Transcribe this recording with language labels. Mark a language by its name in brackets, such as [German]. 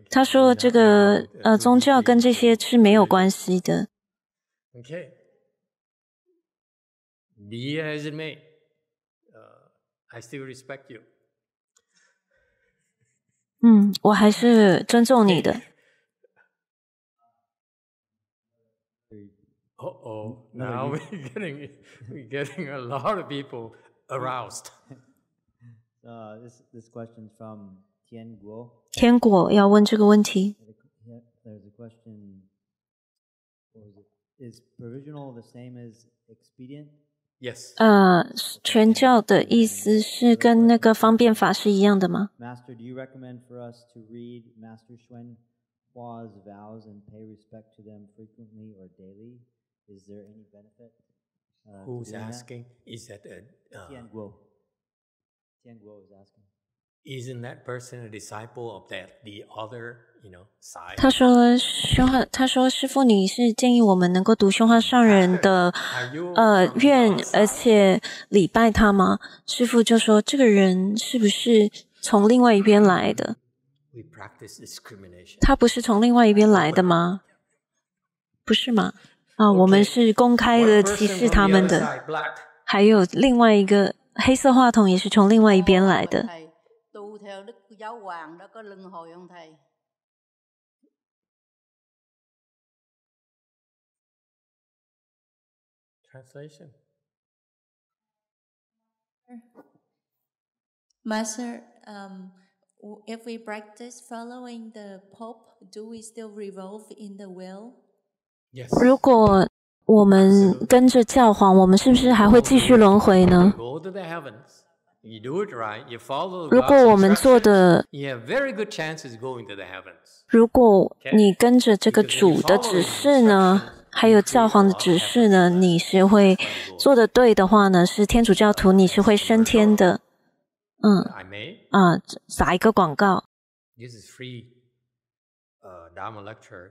[Chinese] 他说这个宗教跟这些是没有关系的。 [English] Okay. Be as it may, I still respect you. [Chinese] 我还是尊重你的。 [English] Uh-oh, now we're getting a lot of people aroused. This question's from Tian Guo. [Chinese] 天果要问这个问题。 [English] There's a question. Is provisional the same as expedient? Yes. [Chinese] 全教的意思是跟那个方便法是一样的吗 [English] ？Master, do you recommend for us to read Master Xuan Hua's vows and pay respect to them frequently or daily? Is there any benefit? Who's asking? Is that Tian Guo? Tian Guo is asking. Isn't that person a disciple of that the other, you know, side? [Chinese] 他说宣化，他说师父，你是建议我们能够读宣化上人的愿，而且礼拜他吗？师父就说，这个人是不是从另外一边来的？ [English] We practice discrimination. [Chinese] 他不是从另外一边来的吗？不是吗？ [English] Okay. [Chinese] 我们是公开的歧视他们的。 [English] Black. [Chinese] 还有另外一个黑色话筒也是从另外一边来的。 [Vietnamese] theo đức giáo hoàng đó có luân hồi không thầy [English] Translation. Master, if we practice following the Pope, do we still revolve in the will? Yes. [Chinese] 如果我们跟着教皇，我们是不是还会继续轮回呢？ [English] Go to the heavens. You do it right. You follow. [Chinese] 如果我们做的， [English] you have very good chances going to the heavens. [Chinese] 如果你跟着这个主的指示呢？还有教皇的指示呢，你是会做得对的话呢，是天主教徒，你是会升天的。嗯，啊，撒一个广告。 [English] This is free, Dharma lecture.